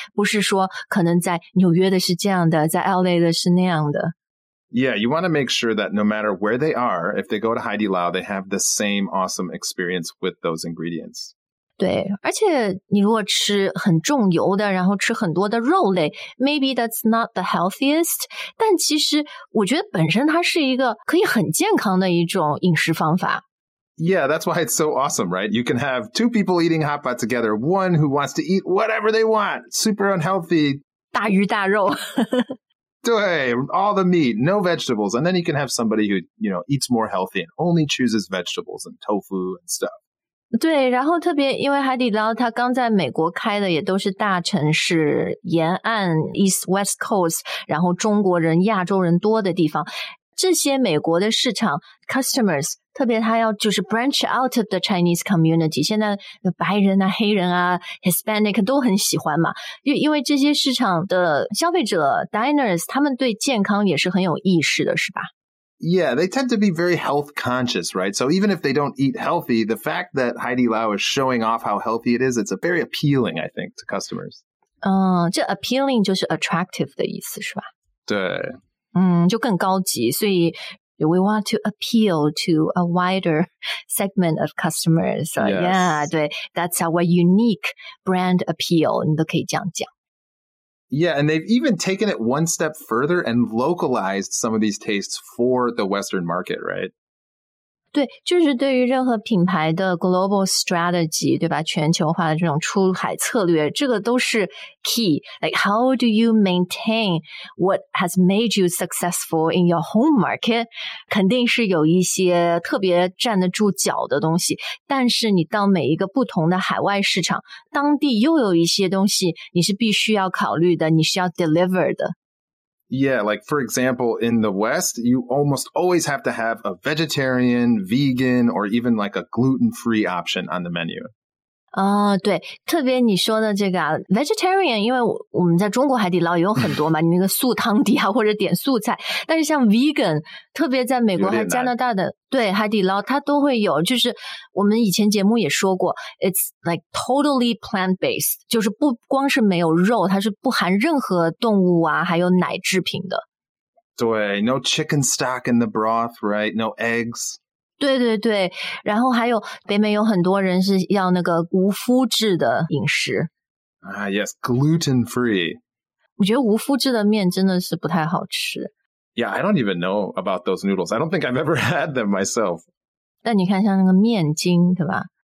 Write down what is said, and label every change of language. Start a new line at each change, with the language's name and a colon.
Chinese: 不是说可能在纽约的是这样的，在 LA 的是那样的。
English: Yeah, you want to make sure that no matter where they are, if they go to Haidilao, they have the same awesome experience with those ingredients.
Chinese: 对，而且你如果吃很重油的，然后吃很多的肉类 ，
English: maybe that's not the healthiest。
Chinese: 但其实我觉得本身它是一个可以很健康的一种饮食方法。
English: Yeah, that's why it's so awesome, right? You can have two people eating hot pot together, one who wants to eat whatever they want, super unhealthy.
Chinese: 大鱼大肉。对,
English: all the meat, no vegetables. And then you can have somebody who, you know, eats more healthy and only chooses vegetables and tofu and stuff.
Chinese: 对，然后特别因为海底捞它刚在美国开的也都是大城市沿岸
English: East West Coast,
Chinese: 然后中国人亚洲人多的地方。这些美国的市场 customers, 特别他要就是
English: branch out of the Chinese community,
Chinese: 现在白人啊黑人啊 Hispanic 都很喜欢嘛。因为这些市场的消费者 diners, 他们对健康也是很有意识的是吧？
English: Yeah, they tend to be very health conscious, right? So even if they don't eat healthy, the fact that Heidi Lau is showing off how healthy it is, it's a very appealing, I think, to customers.
Chinese: 这 appealing 就是 attractive 的意思是吧？对。就更高级，所以
English: we want to appeal to a wider segment of customers. So, yes. Yeah,
Chinese: 对
English: that's our unique brand appeal,
Chinese: 你都可以这样讲。
English: Yeah, and they've even taken it one step further and localized some of these tastes for the Western market, right?
Chinese: 对，就是对于任何品牌的
English: global strategy,
Chinese: 对吧？全球化的这种出海策略，这个都是 key.
English: Like, how do you maintain what has made you successful in your home market?
Chinese: 肯定是有一些特别站得住脚的东西，但是你到每一个不同的海外市场，当地又有一些东西你是必须要考虑的，你是要 deliver 的。
English: Yeah, like, for example, in the West, you almost always have to have a vegetarian, vegan, or even like a gluten-free option on the menu.
Chinese: 对，特别你说的这个 vegetarian, 因为我们在中国海底捞也有很多嘛，你那个素汤底啊，或者点素菜。但是像 vegan, 特别在美国和加拿大的，对，海底捞它都会有，就是我们以前节目也说过 ,
English: it's like totally plant-based,
Chinese: 就是不光是没有肉，它是不含任何动物啊，还有奶制品的。对
English: ,no chicken stock in the broth, right? No eggs.
Chinese: 对对对，然后还有北美有很多人是要那个无麸质的饮食。
English: Yes, gluten free.
Chinese: 我觉得无麸质的面真的是不太好吃。
English: Yeah, I don't even know about those noodles. I don't think I've ever had them myself.
Chinese: 但你看像那个面筋对吧？